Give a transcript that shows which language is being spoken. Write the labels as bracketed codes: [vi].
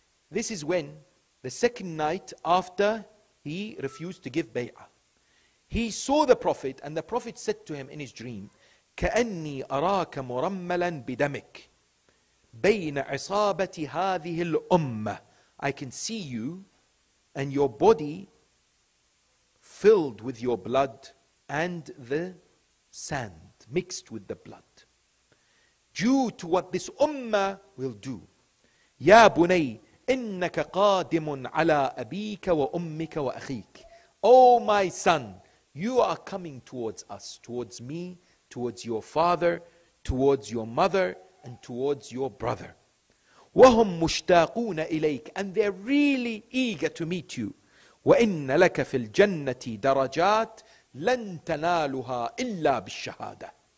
[en] This is when the second night after he refused to give bay'ah, he saw the Prophet and the Prophet said to him in his dream, [ar] كأني أراك مرملا بدمك بين عصابة هذه الأمة. [en] I can see you and your body filled with your blood and the sand mixed with the blood due to what this Ummah will do. [ar] يا بني إنك قادم على أبيك وأمك وأخيك. [en] Oh my son, you are coming towards us, towards me, towards your father, towards your mother, and towards your brother. [ar] وَهُمْ مُشْتَاقُونَ إِلَيْكَ. [en] And they're really eager to meet you. [ar] وَإِنَّ لَكَ فِي الْجَنَّةِ دَرَجَاتٍ لَن تَنَالُهَا إِلَّا بِالشَّهَادَةِ.